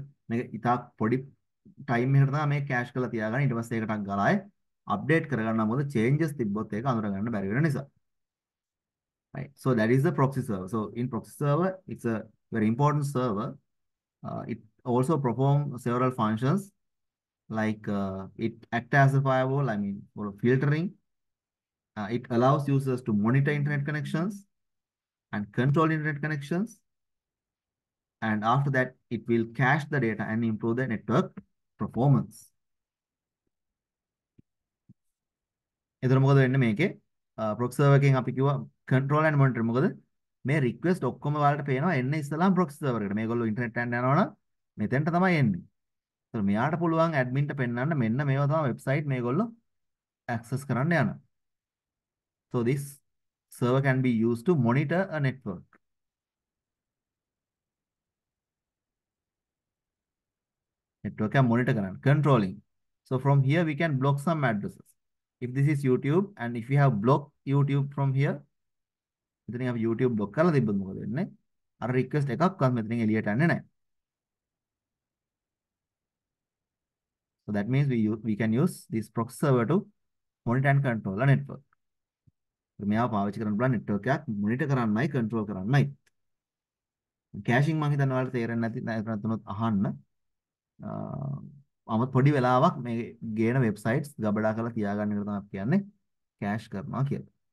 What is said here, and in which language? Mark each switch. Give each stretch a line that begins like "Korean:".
Sinhala: Time එකකට තමයි මේ කැෂ් කරලා තියාගන්නේ. ඊට පස්සේ ඒකට ගලායි අප්ඩේට් කරගන්නවා. මොකද චේන්ජස් තිබ්බොත් ඒක අඳුර ගන්න බැරි වෙන නිසා.
English: Right. So that is the proxy server. So in proxy server, it's a very important server. It also perform several functions like it act as a firewall, I mean for filtering. It allows users to monitor internet connections and control internet connections. And after that, it will cache the data and improve the network performance.
Sinhala: එතන මොකද වෙන්නේ මේකේ? Proxy server එකෙන් අපි කිව්වා
English: control and monitor.
Sinhala: මොකද මේ request ඔක්කොම ඔයාලට පේනවා එන්නේ ඉස්සලාම් proxy server එකට. මේගොල්ලෝ internet යන්න යනවනම් මෙතෙන්ට තමයි එන්නේ. එතන මෙයාට පුළුවන් admin ට පෙන්වන්න මෙන්න මේවා තමයි website මේගොල්ලෝ access කරන්න යන.
English: So this server can be used to monitor a network. network and monitor karan, controlling. So from here we can block some addresses. If this is YouTube and if you have blocked YouTube from here,
Sinhala: මෙතනින් අපි YouTube block කරලා තිබ්බොත් මොකද වෙන්නේ? අර request එකක්වත් මෙතනින් එලියට යන්නේ නැහැ.
English: So that means we can use this proxy server to monitor and control the network.
Sinhala: මෙයා පාවිච්චි කරන්න පුළුවන් network එකක් monitor කරන්නයි control කරන්නයි. Caching මං හිතන්නේ ඔයාලට තේරෙන්නේ නැති නැත්නම් අහන්න. අම පොඩි වෙලාවක් මේ ගේන websites ගබඩා කරලා තියාගන්න කියලා තමයි කියන්නේ cache කරනවා කියලා.